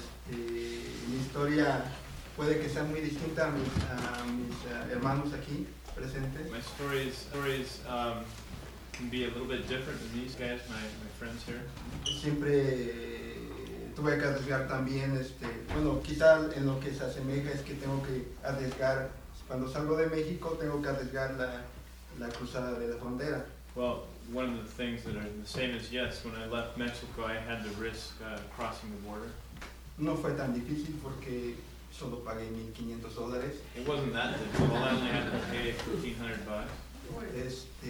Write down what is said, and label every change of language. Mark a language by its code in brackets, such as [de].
[es] Mi historia puede que sea muy distinta a mis hermanos aquí presentes. [en] My story is can be a little bit different than these guys, my friends here. [es] Siempre tuve que arriesgar también, bueno, quizás en lo que se asemeja es que tengo que arriesgar, cuando salgo de México, tengo que arriesgar la cruzada de la frontera. [en] Well, one of the things that are the same is, yes, when I left Mexico, I had to risk crossing the border. [es] No fue tan difícil porque solo pagué $1,500. [en] It wasn't that difficult, I only had to pay $1,500.